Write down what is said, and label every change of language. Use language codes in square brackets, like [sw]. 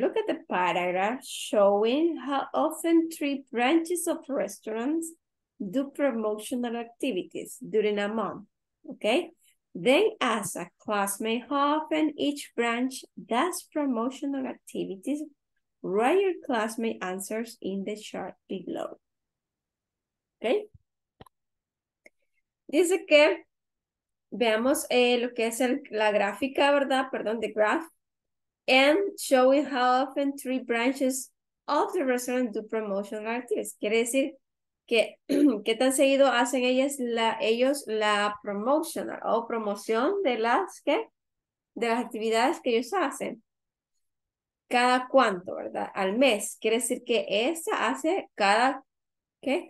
[en] Look at the paragraph showing how often three branches of restaurants do promotional activities during a month, okay? Then ask a classmate how often each branch does promotional activities. Write your classmate answers in the chart below, okay? [es] Dice que veamos lo que es la gráfica, ¿verdad? Perdón, [en] the graph. And showing how often three branches of the restaurant do promotional activities. [es] Quiere decir que qué tan seguido hacen ellos la promotional o promoción de las, ¿qué? De las actividades que ellos hacen. ¿Cada cuánto, verdad? Al mes. Quiere decir que esta hace cada, ¿qué?